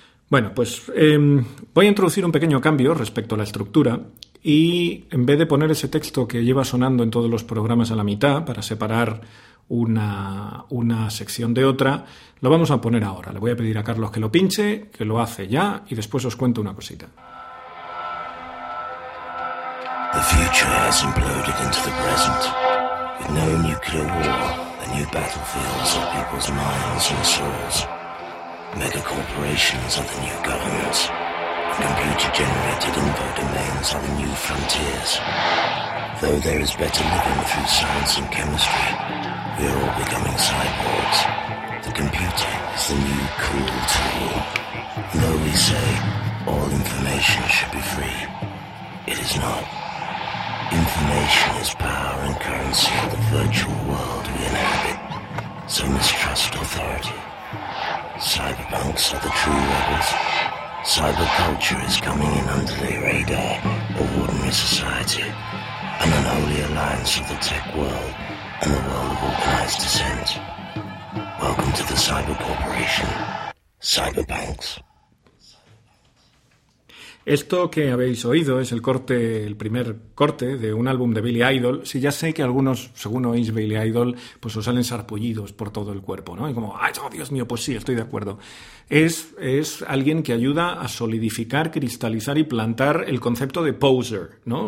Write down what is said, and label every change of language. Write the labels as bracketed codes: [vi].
[es] Bueno, pues voy a introducir un pequeño cambio respecto a la estructura y en vez de poner ese texto que lleva sonando en todos los programas a la mitad para separar una sección de otra, lo vamos a poner ahora. Le voy a pedir a Carlos que lo pinche, que lo hace ya y después os cuento una cosita. [en] The future has imploded into the present. With no nuclear war, the new battlefields are people's minds and souls. Megacorporations are the new governments. Computer-generated info domains are the new frontiers. Though there is better living through science and chemistry, we are all becoming cyborgs. The computer is the new cool tool. Though we say all information should be free, it is not. Information is power and currency of the virtual world we inhabit. So mistrust authority. Cyberpunks are the true rebels. Cyberculture is coming in under the radar of ordinary society. An unholy alliance of the tech world and the world of organized dissent. Welcome to the Cyber Corporation. Cyberpunks. [es] Esto que habéis oído es el primer corte de un álbum de Billy Idol. Sí, ya sé que algunos, según oís Billy Idol, pues os salen sarpullidos por todo el cuerpo, ¿no? Y como, ¡ay, oh, Dios mío! Pues sí, estoy de acuerdo. Es alguien que ayuda a solidificar, cristalizar y plantar el concepto de poser, ¿no?